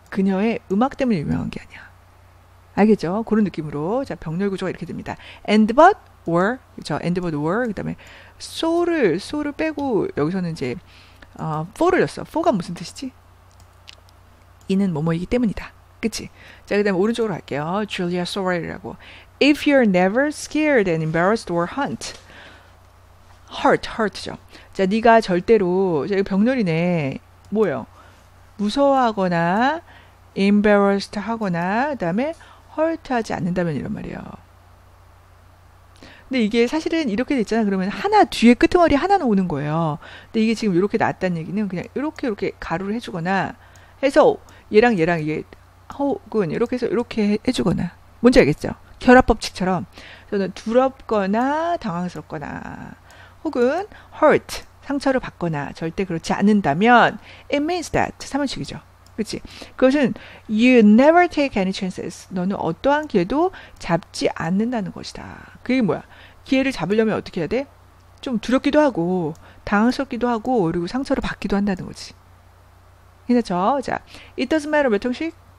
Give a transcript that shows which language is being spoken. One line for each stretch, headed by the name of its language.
Korean: 그녀의 음악 때문에 유명한 게 아니야. 알겠죠? 그런 느낌으로 자, 병렬 구조가 이렇게 됩니다.
English: And but were.
Korean: 그렇죠?
English: And but were.
Korean: 그다음에 so를 빼고 여기서는 이제 for를 넣었어. for가 무슨 뜻이지? 이는 뭐뭐이기 때문이다. 그치? 자, 그 다음에 오른쪽으로 갈게요.
English: Julia Sorrell이라고. If you're never scared and embarrassed or hurt죠.
Korean: 자, 네가 절대로, 자, 이거 병렬이네. 뭐예요? 무서워하거나 embarrassed 하거나 그 다음에 hurt 하지 않는다면 이런 말이에요. 근데 이게 사실은 이렇게 됐잖아. 그러면 하나 뒤에 끄트머리 하나는 오는 거예요. 근데 이게 지금 이렇게 나왔다는 얘기는 그냥 이렇게 가루를 해주거나 해서 얘랑 이게 혹은 이렇게 해서 이렇게 해주거나 뭔지 알겠죠? 결합법칙처럼 저는 두렵거나 당황스럽거나 혹은 hurt 상처를 받거나 절대 그렇지 않는다면
English: it means that
Korean: 3원칙이죠. 그치? 그것은
English: you never take any chances.
Korean: 너는 어떠한 기회도 잡지 않는다는 것이다. 그게 뭐야? 기회를 잡으려면 어떻게 해야 돼? 좀 두렵기도 하고 당황스럽기도 하고 그리고 상처를 받기도 한다는 거지. 괜찮죠? 자,
English: it doesn't matter
Korean: 몇 통씩?